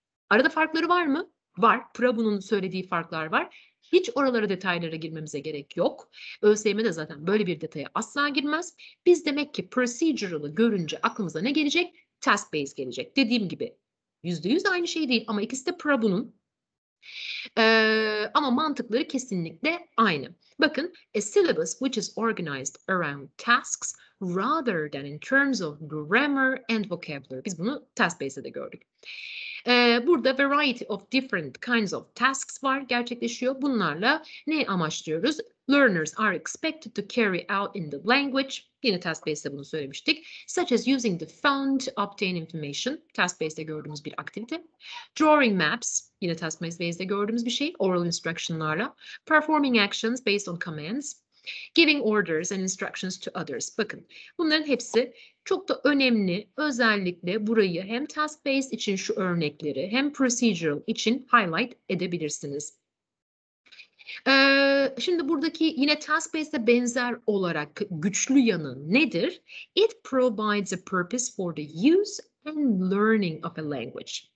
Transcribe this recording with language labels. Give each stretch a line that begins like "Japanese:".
Turkish: Arada farkları var mı? Var. Prabhu'nun söylediği farklar var. Hiç oralara, detaylara girmemize gerek yok. ÖSYM de zaten böyle bir detaya asla girmez. Biz demek ki procedural'ı görünce aklımıza ne gelecek? Task-based gelecek. Dediğim gibi %100 aynı şey değil ama ikisi de Prabhu'nun. Ama mantıkları kesinlikle aynı. Bakın,
English: a syllabus which is organized around tasks rather than in terms of grammar and vocabulary.
Turkish: Biz bunu task based'e de gördük. Burada variety of different kinds of tasks var, gerçekleşiyor. Bunlarla ne amaçlıyoruz?
English: Learners are expected to carry out in the language.
Turkish: Yine task based'e bunu söylemiştik.
English: Such as using the phone to obtain information.
Turkish: Task based'e gördüğümüz bir aktivite.
English: Drawing maps.
Turkish: Yine task based'e gördüğümüz bir şey.
English: Oral instructionlarla. Performing actions based on commands. Giving orders and instructions to others.
Turkish: Bakın, bunların hepsi çok da önemli. Özellikle burayı hem task based için şu örnekleri hem procedural için highlight edebilirsiniz. Şimdi buradaki yine task based'e benzer olarak güçlü yanı nedir?
English: It provides a purpose for the use and learning of a language.